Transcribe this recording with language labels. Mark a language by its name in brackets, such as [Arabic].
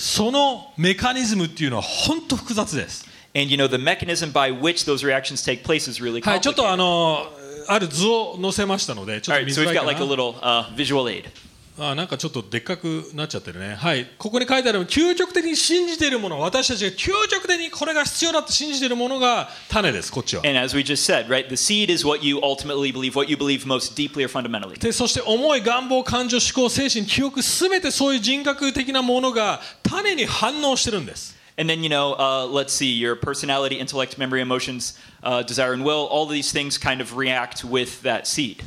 [Japanese] そのメカニズムっていうのは本当複雑です。 [English] And you know, the mechanism by which those reactions take place is really complicated. [Japanese] はい、ちょっとある図を載せましたので、ちょっと見づらいかな。 [English] All right, so we've got like a little visual aid. [Japanese] ああ、なんかちょっとでっかくなっちゃってるね。はい、ここに書いてあるのは究極的に信じているもの、私たちが究極的にこれが必要だと信じているものが種です、こっちは。 [English] And as we just said, right, the seed is what you ultimately believe, what you believe most deeply or fundamentally. [Japanese] で、そして思い、願望、感情、思考、精神、記憶、すべてそういう人格的なものが種に反応してるんです。 [English] And then, you know, let's see, your personality, intellect, memory, emotions, desire and will, all these things kind of react with that seed.